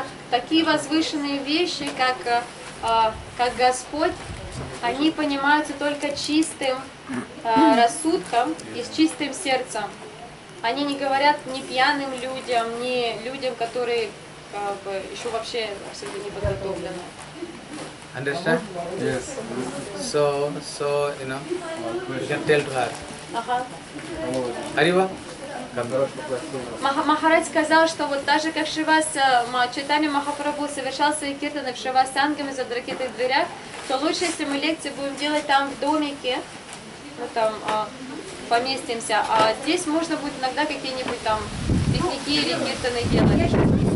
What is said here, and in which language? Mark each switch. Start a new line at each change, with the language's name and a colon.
Russian: Такие возвышенные вещи, как Господь, они понимаются только чистым рассудком и с чистым сердцем. Они не говорят ни пьяным людям, ни людям, которые как бы, еще вообще абсолютно не подготовлены.
English: Understand? Yes. So, you know, you can tell to her.
Russian: Ага. Арива? Махарадж сказал, что вот даже как Шивас Чайтанья Махапрабху совершал свои киртаны в Шивасангаме за закрытых дверях, то лучше, если мы лекции будем делать там в домике, ну там поместимся, а здесь можно будет иногда какие-нибудь там пикники или киртаны делать.